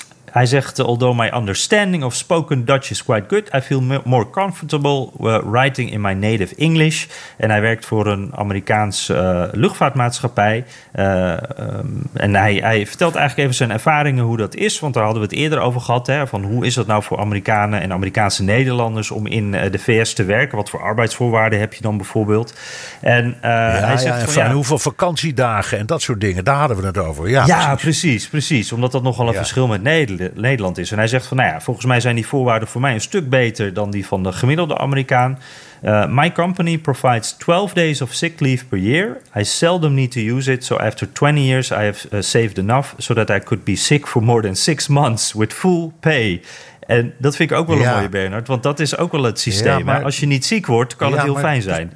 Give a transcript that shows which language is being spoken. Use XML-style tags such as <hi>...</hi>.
<nl>Hij zegt,</nl> <en>although my understanding of spoken Dutch is quite good, I feel more comfortable writing in my native English.</en> <nl>En hij werkt voor een Amerikaans luchtvaartmaatschappij. En hij vertelt eigenlijk even zijn ervaringen hoe dat is. Want daar hadden we het eerder over gehad. Hè, van hoe is dat nou voor Amerikanen en Amerikaanse Nederlanders om in de VS te werken? Wat voor arbeidsvoorwaarden heb je dan bijvoorbeeld? En hij zegt, hoeveel vakantiedagen en dat soort dingen. Daar hadden we het over. Ja, precies. Omdat dat nogal een verschil met Nederland is. En hij zegt van, nou ja, volgens mij zijn die voorwaarden voor mij een stuk beter dan die van de gemiddelde Amerikaan.</nl> <en>My company provides 12 days of sick leave per year. I seldom need to use it, so after 20 years I have saved enough so that I could be sick for more than 6 months with full pay.</en> <nl>En dat vind ik ook wel een mooie, Bernard, want dat is ook wel het systeem. Ja, maar als je niet ziek wordt, kan het heel fijn zijn.</nl>